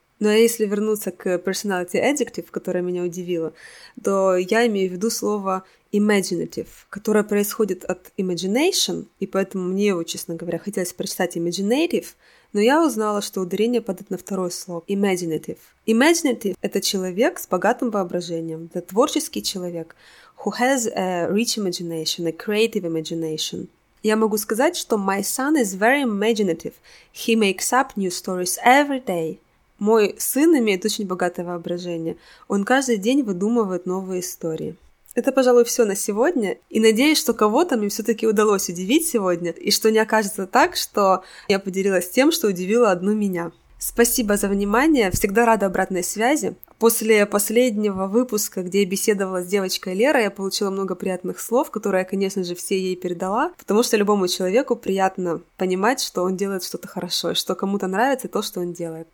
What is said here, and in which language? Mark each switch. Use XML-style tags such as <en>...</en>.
<ru>Но если вернуться к personality adjective, которое меня удивило, то я имею в виду слово imaginative, которое происходит от imagination, и поэтому мне его, честно говоря, хотелось прочитать imaginative, но я узнала, что ударение падает на второй слог — imaginative. Imaginative — это человек с богатым воображением, это творческий человек,</ru> <en>who has a rich imagination, a creative imagination.</en> <ru>Я могу сказать, что</ru> <en>my son is very imaginative. He makes up new stories every day.</en> <ru>Мой сын имеет очень богатое воображение. Он каждый день выдумывает новые истории. Это, пожалуй, все на сегодня. И надеюсь, что кого-то мне все-таки удалось удивить сегодня. И что не окажется так, что я поделилась тем, что удивило одну меня. Спасибо за внимание. Всегда рада обратной связи. После последнего выпуска, где я беседовала с девочкой Лерой, я получила много приятных слов, которые я, конечно же, все ей передала, потому что любому человеку приятно понимать, что он делает что-то хорошо, и что кому-то нравится то, что он делает.</ru>